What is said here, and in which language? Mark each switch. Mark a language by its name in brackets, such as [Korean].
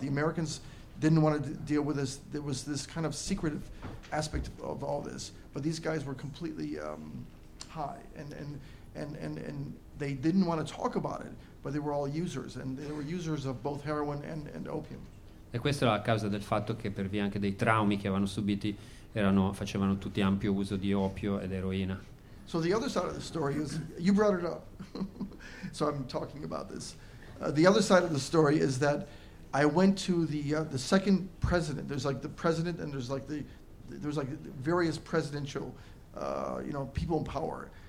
[English] The Americans didn't want to deal with this. There was this kind of secretive aspect of all this. But these guys were completely high, and they didn't want to talk about it. But they were all users, and they were users of both heroin and opium. [Italian] E questo era a causa del fatto che per via anche dei traumi che avevano subiti. Facevano tutti ampio uso di oppio ed eroina. [English] So the other side of the story is, you brought it up, so I'm talking about this. The other side of the story is that I went to the second president. There's like the president, and there's like the various presidential, you know, people in power.